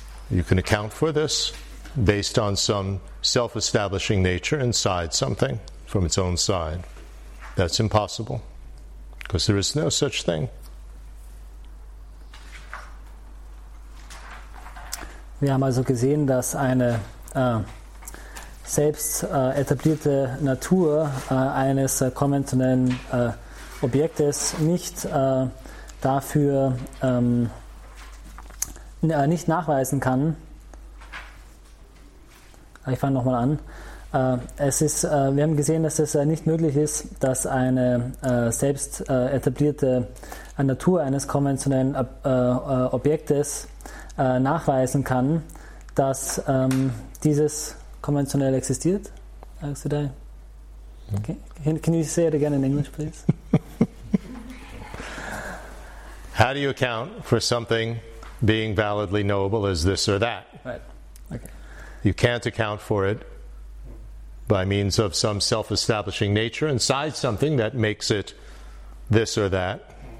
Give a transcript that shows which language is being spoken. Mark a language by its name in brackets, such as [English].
[English] You can account for this based on some self-establishing nature inside something from its own side. That's impossible because there is no such thing. [German] Wir haben also gesehen, dass eine selbst etablierte Natur eines konventionellen Objektes nicht dafür nicht nachweisen kann. Ich fange nochmal an. Wir haben gesehen, dass es nicht möglich ist, dass eine selbst etablierte Natur eines konventionellen Objektes nachweisen kann, dass dieses konventionell existiert. [English] Okay. Can you say it again in English, please? How do you account for something being validly knowable as this or that? Right. Okay. You can't account for it by means of some self-establishing nature inside something that makes it this or that.